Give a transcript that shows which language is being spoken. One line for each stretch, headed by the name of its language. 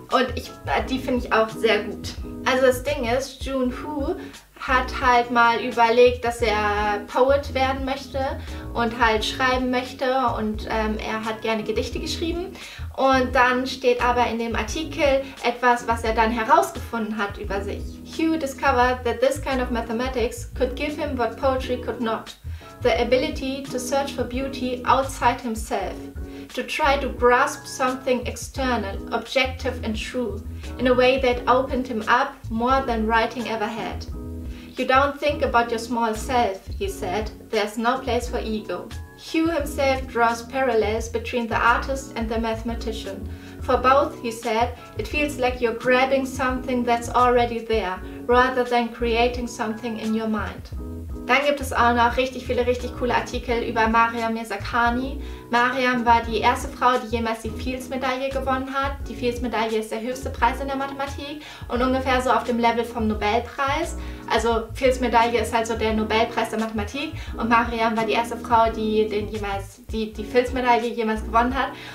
German: Und die finde ich auch sehr gut. Also das Ding ist, Junho hat halt mal überlegt, dass er Poet werden möchte und halt schreiben möchte und er hat gerne Gedichte geschrieben. Und dann steht aber in dem Artikel etwas, was er dann herausgefunden hat über sich.
English: Hugh discovered that this kind of mathematics could give him what poetry could not. The ability to search for beauty outside himself. To try to grasp something external, objective and true, in a way that opened him up more than writing ever had. You don't think about your small self, he said. There's no place for ego. Hugh himself draws parallels between the artist and the mathematician. For both, he said, it feels like you're grabbing something that's already there, rather than creating something in your mind.
German: Dann gibt es auch noch richtig viele richtig coole Artikel über Mariam Mirzakhani. Mariam war die erste Frau, die jemals die Fields-Medaille gewonnen hat. Die Fields-Medaille ist der höchste Preis in der Mathematik und ungefähr so auf dem Level vom Nobelpreis. Also Fields-Medaille ist halt so der Nobelpreis der Mathematik und Mariam war die erste Frau, die Fields-Medaille jemals gewonnen hat.